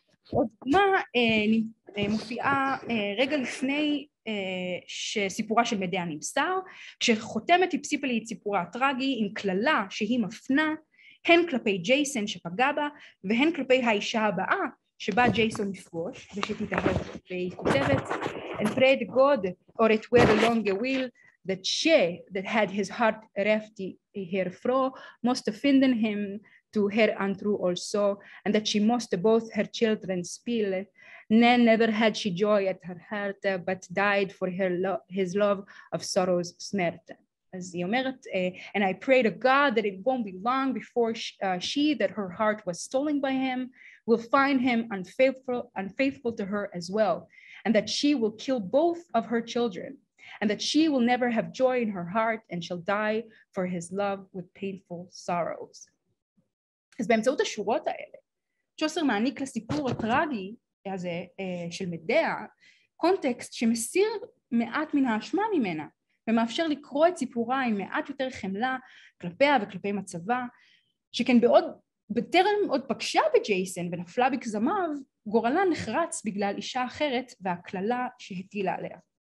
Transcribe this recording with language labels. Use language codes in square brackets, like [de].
[he] עוד מה מופיעה רגע לפני שסיפורה של מדיה נמסר, כשחותמת היפסיפלי את סיפורה הטרגי עם כללה שהיא מפנה, הן כלפי ג'ייסן שפגע בה, והן כלפי האישה הבאה שבה ג'ייסון יפגוש ושתתאהב, והיא כותבת, [en] and prayed God, or it were long a will, that she that had his heart reft herefro must offenden him to her untrue also, and that she must both her children spill. Nen never had she joy at her heart, but died for her his love of sorrow's smert. [he] אז היא אומרת, [en] and I pray to God that it won't be long before she that her heart was stolen by him will find him unfaithful to her as well, and that she will kill both of her children, and that she will never have joy in her heart and shall die for his love with painful sorrows. [he] אז באמצעות השורות האלה, צ'וסר מעניק לסיפור הטרגי הזה של מדיה, קונטקסט שמסיר מעט מן האשמה ממנה, ומאפשר לקרוא את סיפורה עם מעט יותר חמלה כלפיה וכלפי מצבה, שכן בעוד, בטרם עוד פגשה בג'ייסון ונפלה בגזמיו, גורלה נחרץ בגלל אישה אחרת והכללה שהטילה עליה.